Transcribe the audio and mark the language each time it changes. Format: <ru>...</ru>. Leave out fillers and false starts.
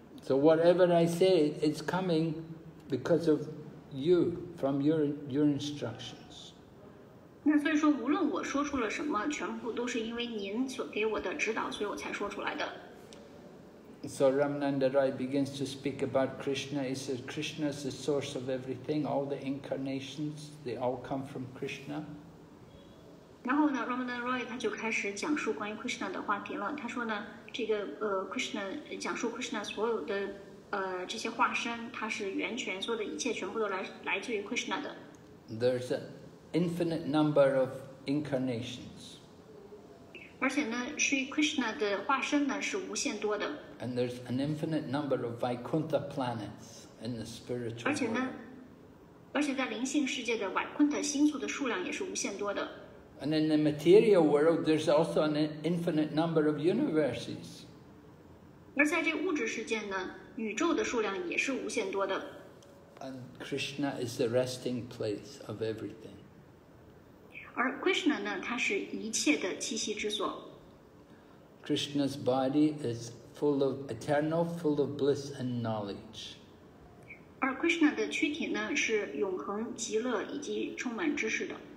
<en>So whatever I say, it's coming because of you, from your instructions.</en> <zh>那所以说，无论我说出了什么，全部都是因为您所给我的指导，所以我才说出来的。</zh> <en>So Ramananda Rai begins to speak about Krishna. He says, Krishna is the source of everything, all the incarnations, they all come from Krishna.</en> <zh>然后呢 ,Ramananda Rai 他就开始讲述关于 Krishna 的话题了。他说呢，这个Krishna, 讲述 Krishna 所有的这些化身，他是源泉，所有的一切全部都来自于 Krishna 的。</zh> <en>There's an infinite number of incarnations.</en> <zh>而且呢 ,Sri Krishna 的化身呢是无限多的。</zh> <en>And there's an infinite number of Vaikuntha planets in the spiritual world.</en> <zh>而且在灵性世界的 Vaikuntha 星宿的数量也是无限多的。</zh> <en>And in the material world, there's also an infinite number of universes.</en> <zh>而在这物质世界呢，宇宙的数量也是无限多的。</zh> <en>And Krishna is the resting place of everything.</en> <zh>而 Krishna 呢，它是一切的栖息之所。</zh> <en>Krishna's body is full of eternal, full of bliss and knowledge.</en> <zh>而 Krishna 的躯体呢是永恒、极乐以及充满知识的。</zh>